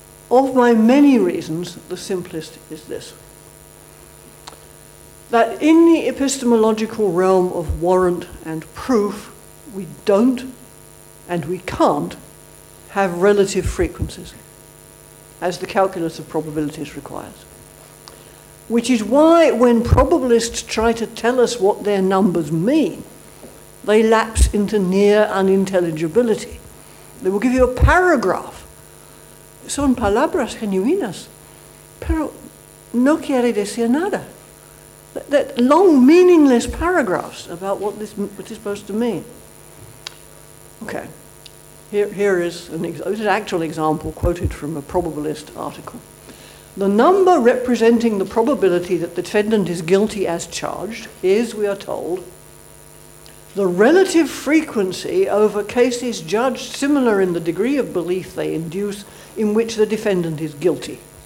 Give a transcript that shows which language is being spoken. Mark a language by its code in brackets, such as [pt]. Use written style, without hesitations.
[en] Of my many reasons, the simplest is this: that in the epistemological realm of warrant and proof, we don't and we can't have relative frequencies, as the calculus of probabilities requires. Which is why when probabilists try to tell us what their numbers mean, they lapse into near unintelligibility. They will give you a paragraph. [es] Son palabras genuinas, pero no quiere decir nada. [en] That long, meaningless paragraphs about what this is supposed to mean. Okay. Here is an actual example quoted from a probabilist article. The number representing the probability that the defendant is guilty as charged is, we are told, the relative frequency over cases judged similar in the degree of belief they induce in which the defendant is guilty.